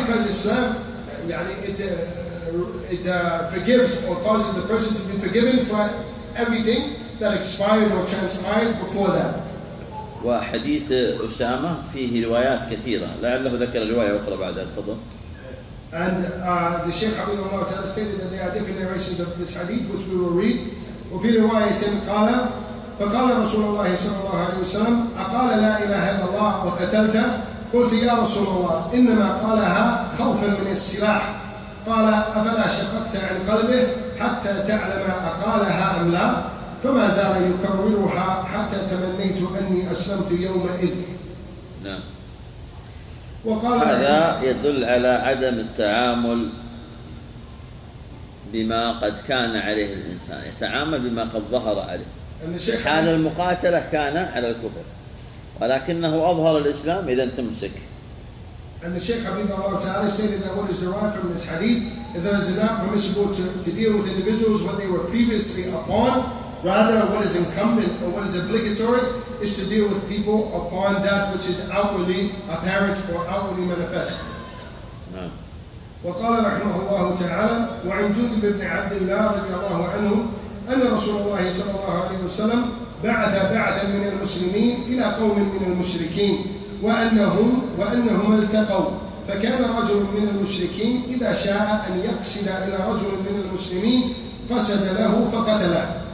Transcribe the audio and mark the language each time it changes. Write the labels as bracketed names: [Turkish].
[English] Because Islam, [Arabic] يعني [English] it forgives or causes the person to be forgiven for everything that expired or transpired before that. [Arabic] وحديث أسامة فيه روايات كثيرة. لعله ذكر الرواية أخرى بعد الفضل. [English] And the Sheikh Abu Dawud has stated that there are different narrations of this hadith which we will read. [Arabic] وفي رواية قال فقال رسول الله صلى الله عليه وسلم أقال لا إله إلا الله وقتلت؟ قلت يا رسول الله إنما قالها خوفا من السلاح. قال أفلا شققت عن قلبه حتى تعلم أقالها أم لا؟ فما زال يكررها حتى تمنيت أني أسلمت يومئذ. نعم. وقال هذا يدل على عدم التعامل بما قد كان عليه الإنسان، يتعامل بما قد ظهر عليه. حال المقاتلة كان على الكفر، ولكنه أظهر الإسلام إذا تمسك. [English] And the Shaykh Abid Allah Ta'ala stated that what is derived from this hadith is that it is not permissible to deal with individuals what they were previously upon, rather what is incumbent or what is obligatory is to deal with people upon that which is outwardly apparent or outwardly manifest. [Arabic] وقال رحمه الله تعالى وعن جندب بن عبد الله رضي الله عنه أن رسول الله صلى الله عليه وسلم بعث بعثا من المسلمين إلى قوم من المشركين وأنهم التقوا فكان رجل من المشركين إذا شاء أن يقصد إلى رجل من المسلمين قصد له فقتله